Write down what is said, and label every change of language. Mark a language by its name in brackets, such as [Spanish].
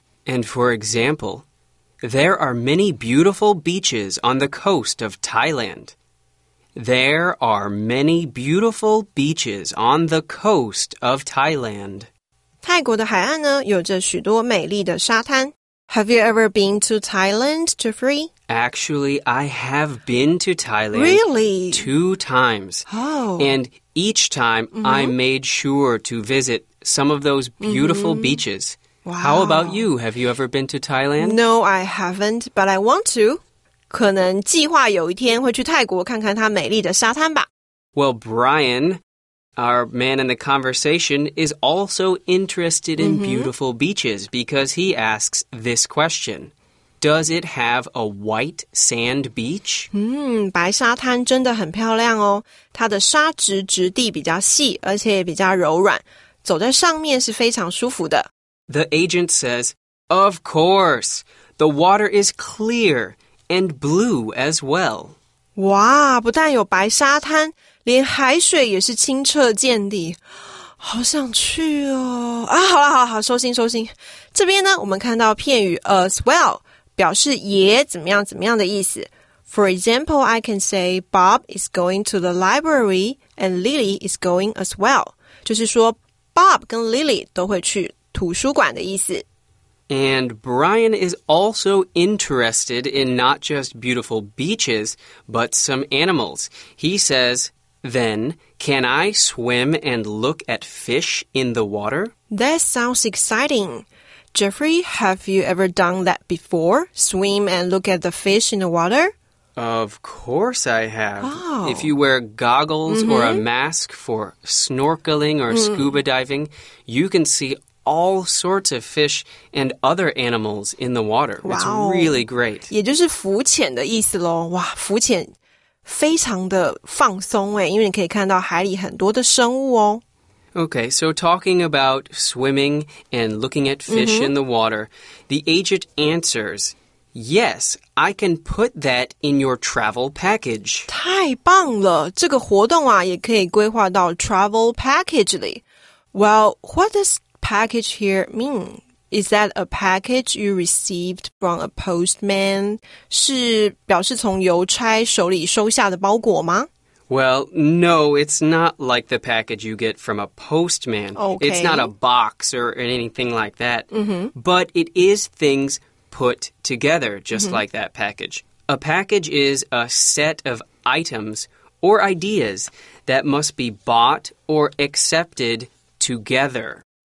[English] And for example, there are many beautiful beaches on the coast of Thailand. There are many beautiful beaches on the coast of Thailand. 泰国的海岸呢，有着许多美丽的沙滩。 Have you ever been to Thailand, Jeffrey? Actually, I have been to Thailand. Really? Two times. Oh. And each time, I made sure to visit some of those beautiful beaches. Wow. How about you? Have you ever been to Thailand? No, I haven't, but I want to. [Chinese] 可能计划有一天会去泰国看看它美丽的沙滩吧。 [English] Well, Brian, our man in the conversation, is also interested in beautiful beaches because he asks this question. Does it have a white sand beach? [Chinese] 白沙滩真的很漂亮哦。它的沙质质地比较细，而且也比较柔软，走在上面是非常舒服的。 [English] The agent says, of course, the water is clear. And blue as well. [Chinese] 哇，不但有白沙滩，连海水也是清澈见底，好想去哦！啊，好了好了好，收心收心。这边呢，我们看到片语 as well， 表示也怎么样怎么样的意思。 [English] For example, I can say Bob is going to the library and Lily is going as well. [Chinese] 就是说 ，Bob 跟 Lily 都会去图书馆的意思。 [English] And Brian is also interested in not just beautiful beaches, but some animals. He says, then, can I swim and look at fish in the water? That sounds exciting. Jeffrey, have you ever done that before? Swim and look at the fish in the water? Of course I have. Oh. If you wear goggles or a mask for snorkeling or scuba diving, you can see all sorts of fish and other animals in the water. Wow, it's really great. [Chinese] 也就是浮潜的意思咯。哇，浮潜非常的放松耶，因为你可以看到海里很多的生物哦。 [English] Okay, so talking about swimming and looking at fish、mm-hmm. in the water, the agent answers, yes, I can put that in your travel package. [Chinese] 太棒了，这个活动啊也可以规划到 travel package 里。 [English] Well, what does package here mean? Is that a package you received from a postman? [Chinese] 是表示从邮差手里收下的包裹吗？ [English] Well, no, it's not like the package you get from a postman. Okay. It's not a box or anything like that. Mm-hmm. But it is things put together, just、mm-hmm. like that package. A package is a set of items or ideas that must be bought or accepted together.